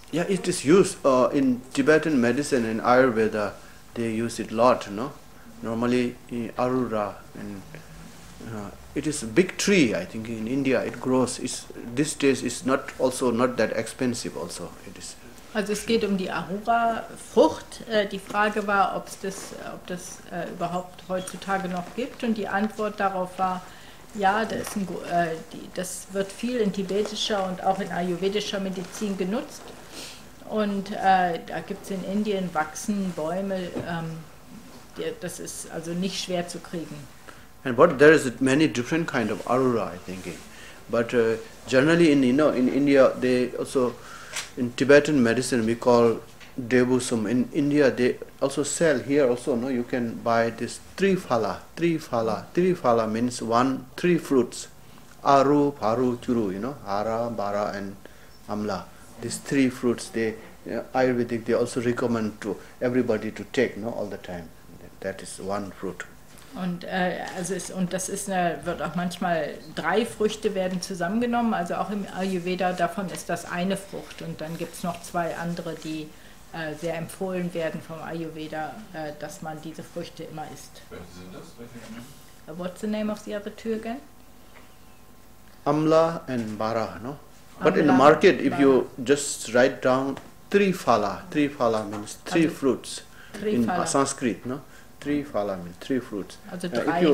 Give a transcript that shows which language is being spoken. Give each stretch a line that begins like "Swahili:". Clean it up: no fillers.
English: Yeah, it is used in Tibetan medicine and Ayurveda, they use it a lot, no? Mm-hmm. Normally, aurora, and it is a big tree, I think, in India, it grows. It's, this taste is not also not that expensive, also, it is.
German: Also es geht um die Aurora-Frucht. Die Frage war, ob das überhaupt heutzutage noch gibt. Und die Antwort darauf war, ja, das wird viel in tibetischer und auch in ayurvedischer Medizin genutzt. Und da gibt es in Indien wachsen Bäume. Das ist also nicht schwer zu kriegen.
English: And what, there is many different kind of Aurora, I think. But generally, in you know, in India, they also in Tibetan medicine we call debusum. In India, they also sell here. Also, no, you can buy this tri phala means three fruits, aru, paru, churu. You know, ara, bara, and amla. These three fruits, they Ayurvedic, they also recommend to everybody to take, no, all the time. That is one fruit.
German: Und also ist, und das ist eine, wird auch manchmal drei Früchte werden zusammengenommen, also auch im Ayurveda davon ist das eine Frucht und dann gibt es noch zwei andere, die sehr empfohlen werden vom Ayurveda, dass man diese Früchte immer isst. Welche sind das?
English: What's the name of the other two again? Amla and Bara, no? But Amla in the market, if you just write down tri phala means three also, fruits tri in phala. Sanskrit, no? Trifala means three fruits.
German: Also drei